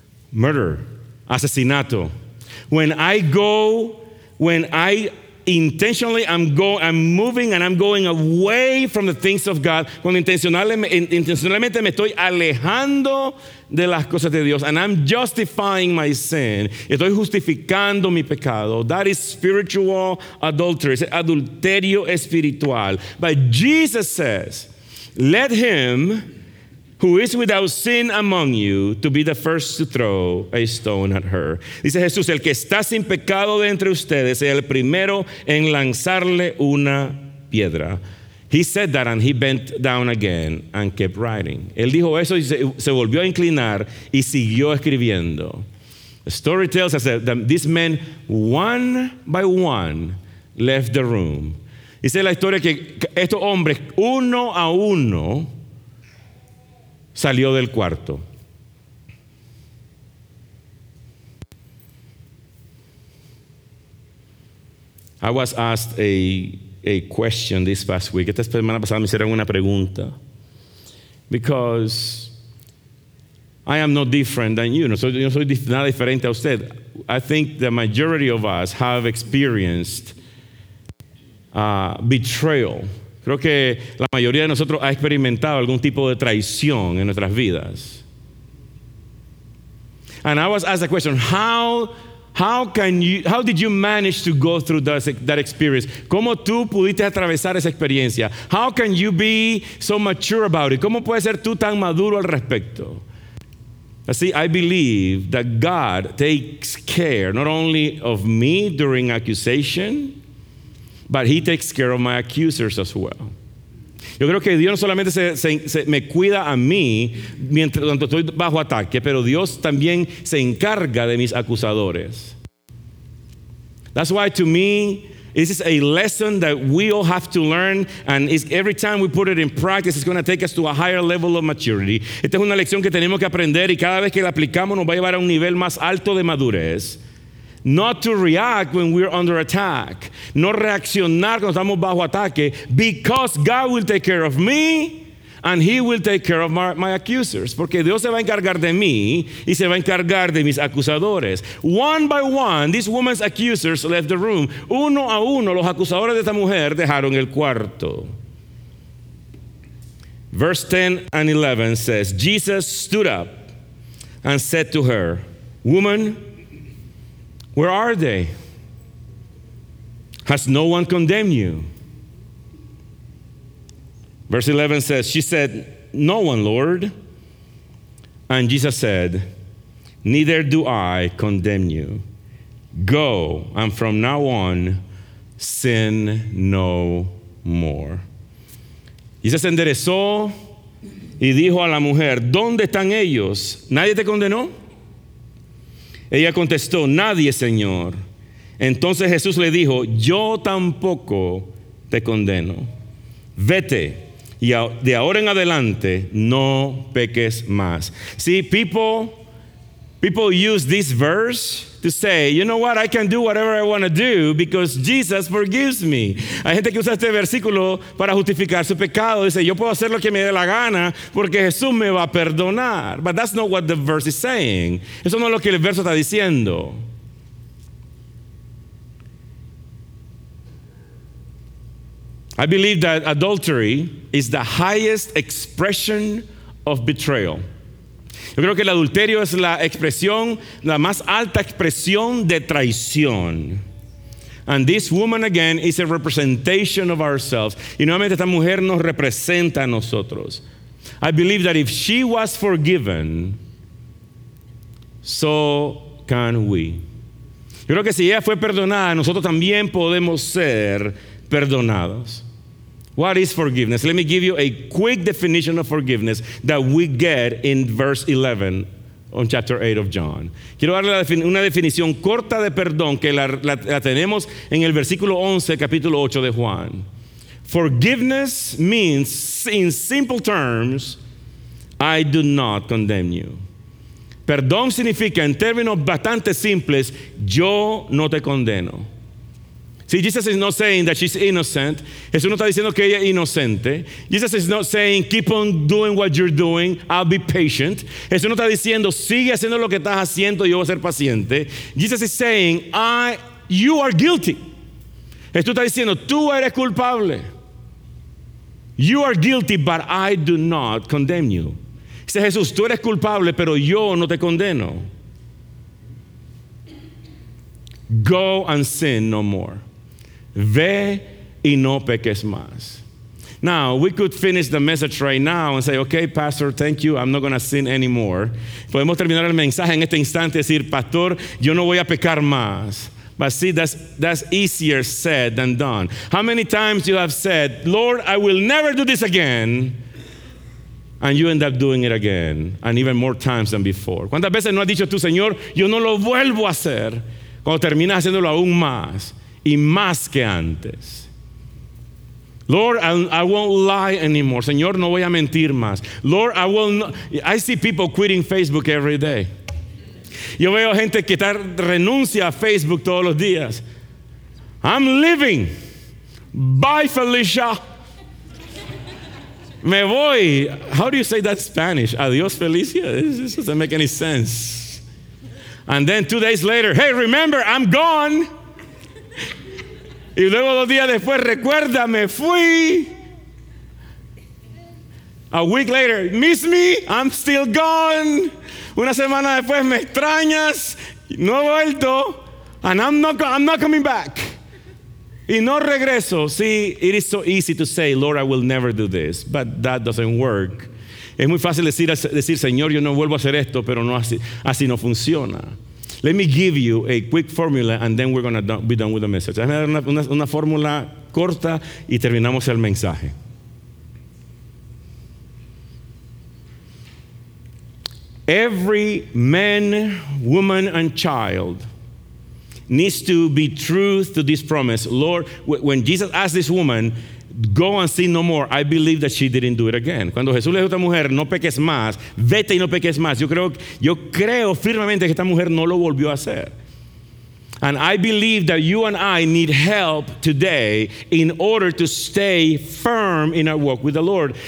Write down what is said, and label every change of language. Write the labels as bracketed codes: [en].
[en] Murder. [es] Asesinato. [en] When I'm moving and I'm going away from the things of God, [es] cuando intencionalmente me estoy alejando de las cosas de Dios, [en] and I'm justifying my sin, [es] estoy justificando mi pecado, [en] that is spiritual adultery, [es] es adulterio espiritual. [en] But Jesus says, let him who is without sin among you, to be the first to throw a stone at her. [es] Dice Jesús, el que está sin pecado de entre ustedes es el primero en lanzarle una piedra. [en] He said that and he bent down again and kept writing. [es] Él dijo eso y se volvió a inclinar y siguió escribiendo. [en] The story tells us that these men, one by one, left the room. [es] Dice la historia que estos hombres, uno a uno, salió del cuarto. [en] I was asked a question this past week. [es] Esta semana pasada me hicieron una pregunta. [en] Because I am no different than you. [es] No soy nada diferente a usted. [en] I think the majority of us have experienced betrayal. [es] Creo que la mayoría de nosotros ha experimentado algún tipo de traición en nuestras vidas. [en] And I was asked the question, how did you manage to go through that experience? [es] ¿Cómo tú pudiste atravesar esa experiencia? [en] How can you be so mature about it? [es] ¿Cómo puedes ser tú tan maduro al respecto? [en] See, I believe that God takes care not only of me during accusation, but he takes care of my accusers as well. [es] Yo creo que Dios no solamente se me cuida a mí mientras tanto estoy bajo ataque, pero Dios también se encarga de mis acusadores. [en] That's why to me, this is a lesson that we all have to learn, and every time we put it in practice, it's going to take us to a higher level of maturity. [es] Esta es una lección que tenemos que aprender y cada vez que la aplicamos nos va a llevar a un nivel más alto de madurez. [en] Not to react when we're under attack. [es] No reaccionar cuando estamos bajo ataque. [en] Because God will take care of me and he will take care of my accusers. [es] Porque Dios se va a encargar de mí y se va a encargar de mis acusadores. [en] One by one, this woman's accusers left the room. [es] Uno a uno, los acusadores de esta mujer dejaron el cuarto. [en] Verse 10 and 11 says, Jesus stood up and said to her, Woman, where are they? Has no one condemned you? Verse 11 says, she said, no one, Lord. And Jesus said, neither do I condemn you. Go, and from now on, sin no more. [es] Jesus enderezó y dijo a la mujer, ¿dónde están ellos? ¿Nadie te condenó? Ella contestó, nadie, Señor. Entonces Jesús le dijo, yo tampoco te condeno. Vete, y de ahora en adelante no peques más. [en] See, people use this verse to say, you know what, I can do whatever I want to do because Jesus forgives me. [es] Hay gente que usa este versículo para justificar su pecado. Dice, yo puedo hacer lo que me dé la gana porque Jesús me va a perdonar. [en] But that's not what the verse is saying. [es] Eso no es lo que el verso está diciendo. [en] I believe that adultery is the highest expression of betrayal. [es] Yo creo que el adulterio es la expresión, la más alta expresión de traición. [en] And this woman again is a representation of ourselves. [es] Y nuevamente esta mujer nos representa a nosotros. [en] I believe that if she was forgiven, so can we. [es] Yo creo que si ella fue perdonada, nosotros también podemos ser perdonados. [en] What is forgiveness? Let me give you a quick definition of forgiveness that we get in verse 11 on chapter 8 of John. [es] Quiero darle una definición corta de perdón que la tenemos en el versículo 11, capítulo 8 de Juan. [en] Forgiveness means, in simple terms, I do not condemn you. [es] Perdón significa, en términos bastante simples, yo no te condeno. [en] See, Jesus is not saying that she's innocent. [es] Jesús no está diciendo que ella es inocente. [en] Jesus is not saying, keep on doing what you're doing. I'll be patient. [es] Jesús no está diciendo, sigue haciendo lo que estás haciendo y yo voy a ser paciente. [en] Jesus is saying, you are guilty. [es] Jesús está diciendo, tú eres culpable. [en] You are guilty, but I do not condemn you. [es] Dice Jesús, tú eres culpable, pero yo no te condeno. [en] Go and sin no more. [es] Ve y no peques más. [en] Now, we could finish the message right now and say, okay, pastor, thank you. I'm not going to sin anymore. [es] Podemos terminar el mensaje en este instante y decir, pastor, yo no voy a pecar más. [en] But see, that's easier said than done. How many times you have said, Lord, I will never do this again. And you end up doing it again. And even more times than before. [es] ¿Cuántas veces no has dicho tú, Señor, yo no lo vuelvo a hacer? Cuando terminas haciéndolo aún más y más que antes. [en] Lord, I won't lie anymore. [es] Señor, no voy a mentir más. [en] Lord, I will not. I see people quitting Facebook every day. [es] Yo veo gente que renuncia a Facebook todos los días. [en] I'm living. Bye, Felicia. [es] Me voy. [en] How do you say that in Spanish? [es] Adiós, Felicia. [en] This doesn't make any sense. And then 2 days later, hey, remember, I'm gone. [es] Y luego 2 días después, recuerda, me fui. [en] A week later, miss me, I'm still gone. [es] Una semana después, me extrañas, no he vuelto. [en] And I'm not coming back. [es] Y no regreso. [en] See, it is so easy to say, Lord, I will never do this. But that doesn't work. [es] Es muy fácil decir, Señor, yo no vuelvo a hacer esto, pero no así no funciona. [en] Let me give you a quick formula and then we're going to be done with the message. [es] Déjame dar una fórmula corta y terminamos el mensaje. [en] Every man, woman, and child needs to be true to this promise. Lord, when Jesus asked this woman, go and sin no more, I believe that she didn't do it again. [es] Cuando Jesús le dijo a esta mujer, no peques más, vete y no peques más, yo creo firmemente que esta mujer no lo volvió a hacer. [en] And I believe that you and I need help today in order to stay firm in our walk with the Lord.